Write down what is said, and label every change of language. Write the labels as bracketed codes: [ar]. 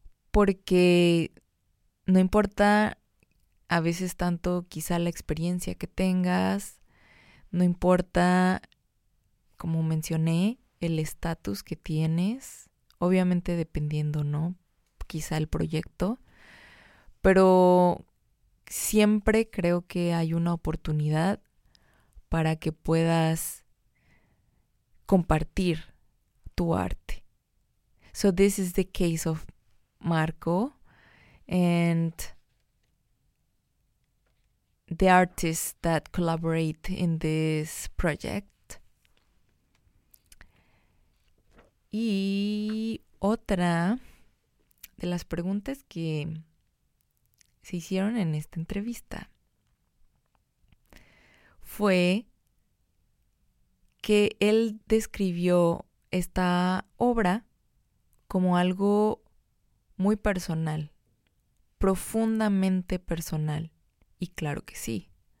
[es] porque no importa a veces tanto quizá la experiencia que tengas, no importa, como mencioné, el estatus que tienes, obviamente dependiendo, ¿no?, quizá el proyecto, pero siempre creo que hay una oportunidad para que puedas compartir tu arte. [en] So this is the case of Marco, and the artists that collaborate in this project. [es] Y otra de las preguntas que se hicieron en esta entrevista fue que él describió esta obra como algo muy personal, profundamente personal. Y claro que sí.